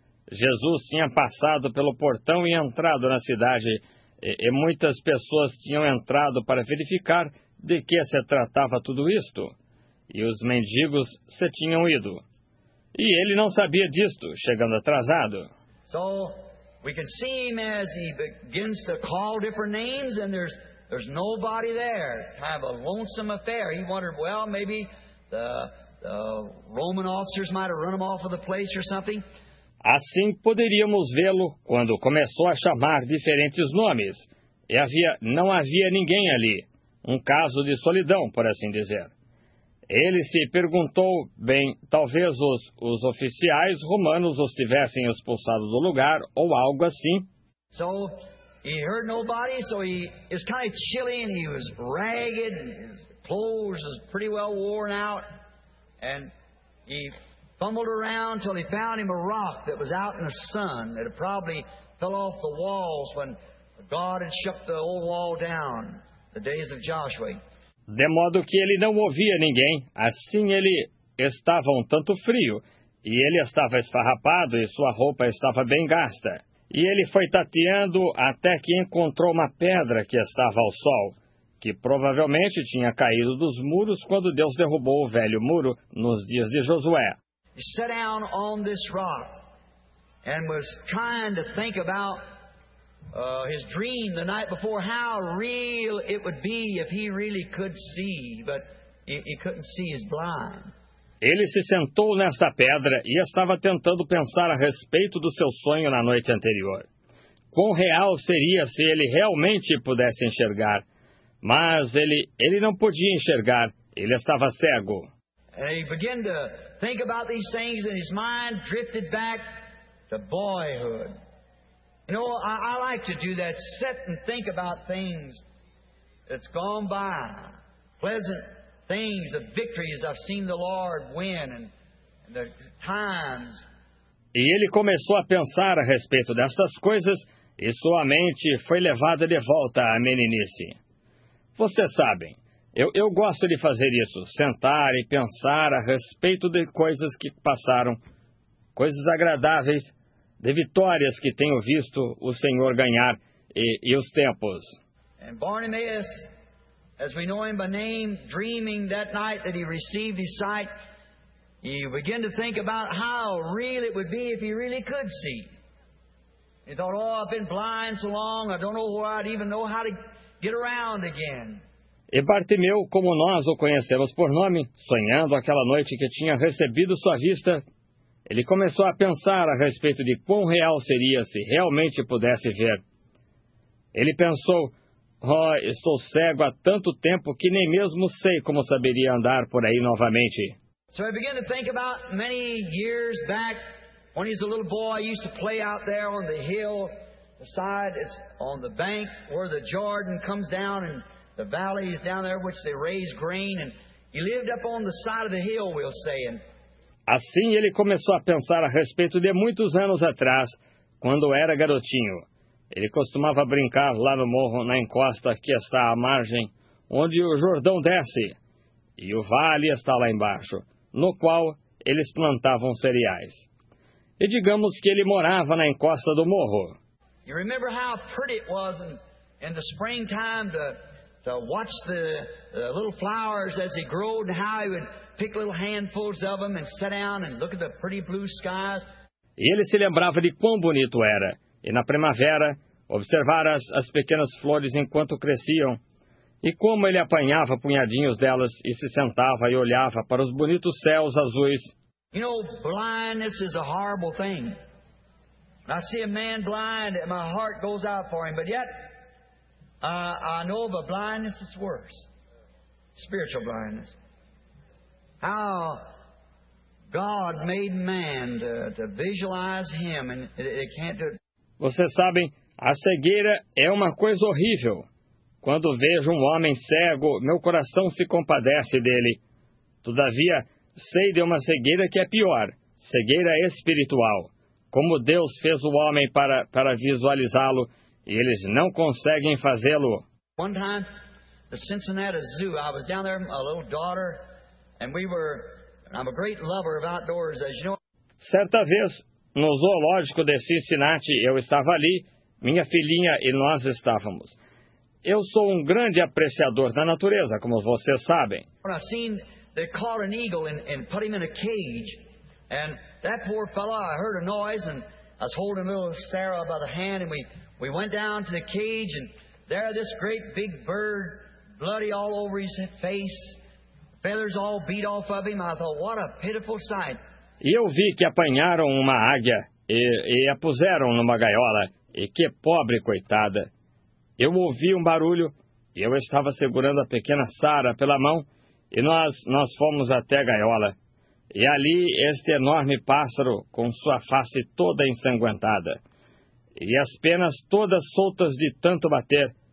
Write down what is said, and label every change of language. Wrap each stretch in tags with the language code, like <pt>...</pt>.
<pt>Jesus tinha passado pelo portão e entrado na cidade, e muitas pessoas tinham entrado para verificar de que se tratava tudo isto. E os mendigos se tinham ido. E ele não sabia disto, chegando atrasado.</pt> <en>So, we can see him as he begins to call different names and there's nobody there. It's kind of a lonesome affair. He wondered, well, maybe the Roman officers might have run him off of the place or something.</en> <pt>Assim poderíamos vê-lo quando começou a chamar diferentes nomes. E não havia ninguém ali. Um caso de solidão, por assim dizer. Ele se perguntou, bem, talvez os oficiais romanos os tivessem expulsado do lugar ou algo assim.</pt> <en>So, he heard nobody, so he is kind of chilly and he was ragged and his clothes was pretty well worn out. And he fumbled around till he found him a rock that was out in the sun that had probably fell off the walls when God had shook the old wall down, the days of Joshua.</en> <pt>De modo que ele não ouvia ninguém, assim ele estava um tanto frio, e ele estava esfarrapado e sua roupa estava bem gasta. E ele foi tateando até que encontrou uma pedra que estava ao sol, que provavelmente tinha caído dos muros quando Deus derrubou o velho muro nos dias de Josué.</pt> <en>He sat down on this rock and was trying to think about his dream the night before, how real it would be if he really could see, but he couldn't see, he's blind.</en> <pt>Ele se sentou nesta pedra e estava tentando pensar a respeito do seu sonho na noite anterior. Quão real seria se ele realmente pudesse enxergar? Mas ele não podia enxergar, ele estava cego.</pt> <en>He began to think about these things and his mind drifted back to boyhood. You know, I like to do that, sit and think about things that's gone by, pleasant things, the victories I've seen the Lord win, and the times.</en> <pt>E ele começou a pensar a respeito dessas coisas, e sua mente foi levada de volta à meninice. Vocês sabem, eu gosto de fazer isso, sentar e pensar a respeito de coisas que passaram, coisas agradáveis, de vitórias que tenho visto o Senhor ganhar, e os tempos.</pt> <en>And Bartimaeus, as we know him by name, dreaming that night that he received his sight, he began to think about how real it would be if he really could see. He thought, oh, I've been blind so long, I don't know where I'd even know how to get around again.</en> <pt>E Bartimeu, como nós o conhecemos por nome, sonhando aquela noite que tinha recebido sua vista, ele começou a pensar a respeito de quão real seria se realmente pudesse ver. Ele pensou, oh, estou cego há tanto tempo que nem mesmo sei como saberia andar por aí novamente.</pt> <en>So I began to think about many years back, when he was a little boy, I used to play out there on the hill, the side is on the bank where the Jordan comes down and the valley is down there which they raise grain, and he lived up on the side of the hill, we'll say. And</en> <pt>Assim ele começou a pensar a respeito de muitos anos atrás, quando era garotinho. Ele costumava brincar lá no morro, na encosta que está à margem, onde o Jordão desce, e o vale está lá embaixo, no qual eles plantavam cereais. E digamos que ele morava na encosta do morro.</pt> <en>You remember how pretty it was in the springtime to watch the little flowers as he grew and how he would pick little handfuls of them and sit down and look at the pretty blue skies.</en> <pt>E ele se lembrava de quão bonito era, e na primavera, observar as pequenas flores enquanto cresciam, e como ele apanhava punhadinhos delas e se sentava e olhava para os bonitos céus azuis.</pt> <en>You know, blindness is a horrible thing. I see a man blind and my heart goes out for him, but yet I know of a blindness that's worse. Spiritual blindness. How God made man to visualize him and they can't do it.</en> <pt>Vocês sabem, a cegueira é uma coisa horrível. Quando vejo um homem cego, meu coração se compadece dele. Todavia, sei de uma cegueira que é pior, cegueira espiritual. Como Deus fez o homem para visualizá-lo, e eles não conseguem fazê-lo.</pt> <en>One time, the Cincinnati Zoo, I was down there, a little daughter, and I'm a great lover of outdoors, as you know.</en> <pt>Certa vez, no zoológico de Cincinnati, eu estava ali, minha filhinha e nós estávamos. Eu sou um grande apreciador da natureza, como vocês sabem.</pt> <en>When I seen they caught an eagle and put him in a cage, and that poor fellow, I heard a noise, and I was holding little Sarah by the hand, and we went down to the cage, and there this great big bird, bloody all over his face, feathers all beat off of him. I thought, what a pitiful sight.</en> <pt>E eu vi que apanharam uma águia e a puseram numa gaiola, e que pobre coitada. Eu ouvi um barulho, e eu estava segurando a pequena Sara pela mão, e nós fomos até a gaiola. E ali, este enorme pássaro, com sua face toda ensanguentada, e as penas todas soltas de tanto bater.</pt>